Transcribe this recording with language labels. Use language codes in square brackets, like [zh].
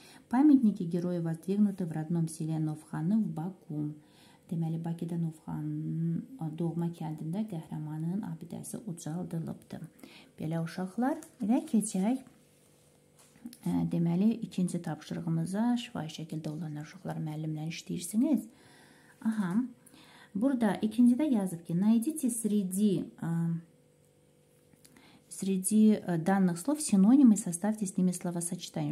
[ru] Памятники героя воздвигнуты в родном селе Новханы в Баку. [az] Deməli, Bakıda Novxanın doğma kəndində qəhrəmanın abidəsi ucaldılıbdır. Belə uşaqlar, və keçək. Deməli, ikinci tapşırığımıza şifahi şəkildə olan uşaqlar müəllimlə işləyirsiniz. Aha, burada ikincidə yazıb ki, [ru] найдите среди Среди данных слов синонимы составьте с ними словосочетание.